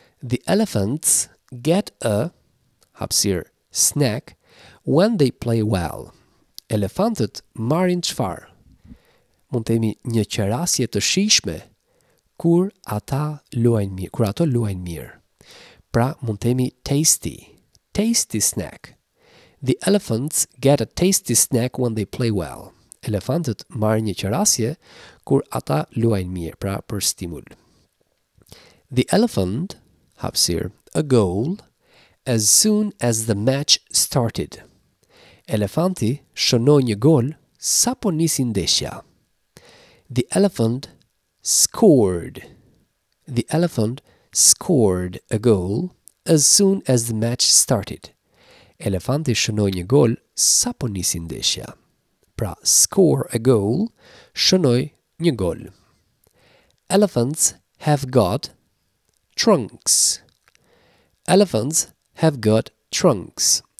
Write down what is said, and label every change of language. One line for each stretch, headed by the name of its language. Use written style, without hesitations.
English: The elephants get a, hapsir, snack, when they play well.
Albanian: Elefantët marin çfarë? Mund të jemi një qerasje të shishme kur ata luajnë mirë, kur ato luajnë mirë. Pra, mund të jemi
English: tasty, tasty snack. The elephants get a tasty snack when they play well.
Albanian: Elefantët marrin një qerasje kur ata luajnë mirë, pra për stimul.
English: The elephant, hapsir, a goal, as soon as the match started.
Albanian: Elefanti shënoi një gol sa po nisi ndeshja.
English: The elephant scored. The elephant scored a goal as soon as the match started.
Albanian: Elefanti shënoi një gol sa po nisi ndeshja. Pra,
English: score a goal,
Albanian: shënoi një gol.
English: Elephants have got trunks. Elephants have got trunks.